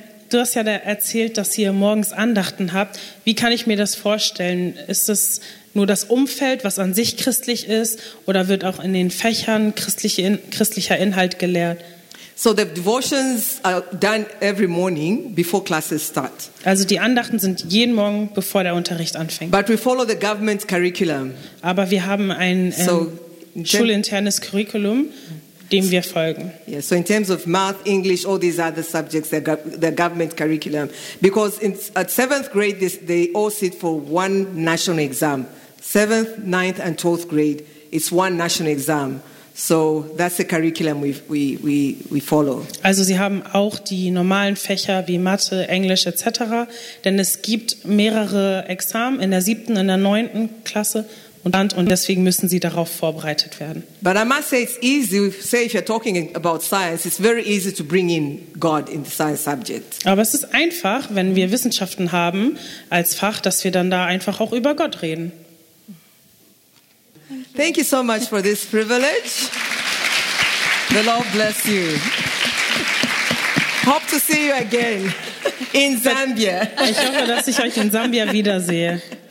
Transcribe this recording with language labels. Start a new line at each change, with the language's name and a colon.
German: Du hast ja erzählt, dass ihr morgens Andachten habt. Wie kann ich mir das vorstellen? Ist es nur das Umfeld, was an sich christlich ist, oder wird auch in den Fächern christlicher Inhalt gelehrt?
English: So the devotions are done every morning before classes start.
German: Also die Andachten sind jeden Morgen, bevor der Unterricht anfängt.
English: But we follow the government curriculum.
German: Aber wir haben ein schulinternes Curriculum, dem wir folgen.
English: Yeah, so in terms of math, English, all these other subjects, the government curriculum. Because at seventh grade, they all sit for one national exam. Seventh, ninth, and 12th grade, it's one national exam. So that's the curriculum we follow.
German: Also sie haben auch die normalen Fächer wie Mathe, Englisch etc. Denn es gibt mehrere Examen in der siebten, in der neunten Klasse und deswegen müssen sie darauf vorbereitet werden.
English: But I must say it's easy. Say if you're talking about science, it's very easy to bring in God in the science subject.
German: Aber es ist einfach, wenn wir Wissenschaften haben als Fach, dass wir dann da einfach auch über Gott reden.
English: Thank you so much for this privilege. The Lord bless you. Hope to see you again in Zambia.
German: Ich hoffe, dass ich euch in Sambia wiedersehe.